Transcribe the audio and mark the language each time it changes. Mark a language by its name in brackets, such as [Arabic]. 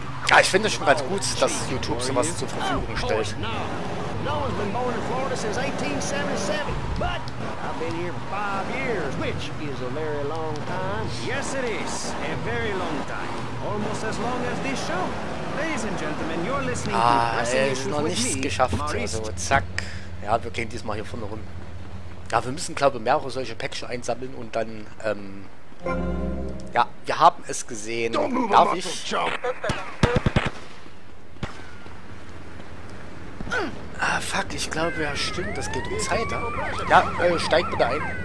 [German] Ja, ich finde es schon ganz gut, dass YouTube sowas zur Verfügung stellt. [English] No one's been born in Florida since 1877, but I've been here for 5 years, which is a very long time. Yes, it is a very long time, almost as long as this show. Ladies and gentlemen, you're listening to Pressing Issues with me, [German] geschafft. Maurice. Also, zack. Ja, wir gehen diesmal hier vorne rum. Ja, wir müssen, glaube ich, mehrere solche Päckchen einsammeln und dann, ja, wir haben es gesehen. Darf ich? Ah, fuck, ich glaube, ja, stimmt, das geht um Zeit, ja? Ja, steig bitte ein.